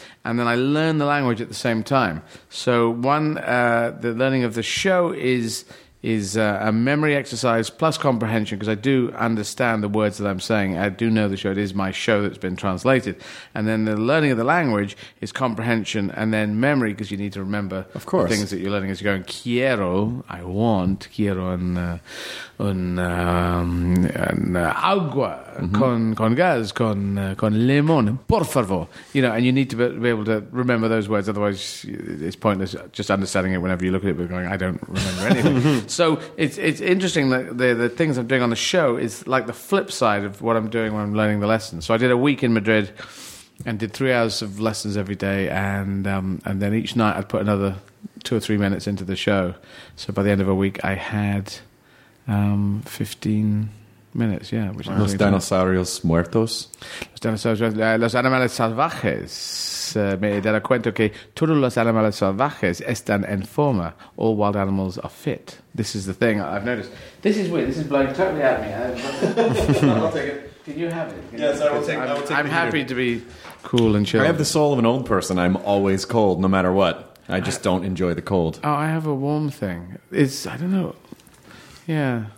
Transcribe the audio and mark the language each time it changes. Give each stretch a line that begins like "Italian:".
English: And then I learn the language at the same time. So one, the learning of the show is a memory exercise plus comprehension, because I do understand the words that I'm saying. I do know the show. It is my show that's been translated. And then the learning of the language is comprehension and then memory, because you need to remember of course. The things that you're learning as you're going.
Spanish: Quiero,
English: I want,
Spanish: quiero un agua mm-hmm. con gas, con limón, por favor.
English: You know, and you need to be able to remember those words, otherwise it's pointless just understanding it whenever you look at it, but going, I don't remember anything. So it's interesting that the things I'm doing on the show is like the flip side of what I'm doing when I'm learning the lessons. So I did a week in Madrid and did 3 hours of lessons every day, and then each night I'd put another 2 or 3 minutes into the show. So by the end of a week I had 15 minutes, yeah. Which wow.
Spanish: Los dinosaurios muertos. Los dinosaurios los animales salvajes. Me he dado cuenta que todos los animales salvajes están en forma.
English: All wild animals are fit. This is the thing I've noticed. This is weird. This is blowing totally at me. I'll take it. Can you have it? Yes, I will take it. I'm happy to be cool and chill. I have the soul of an old person. I'm always cold, no matter what. I just don't enjoy the cold. Oh, I have a warm thing. It's, I don't know. Yeah.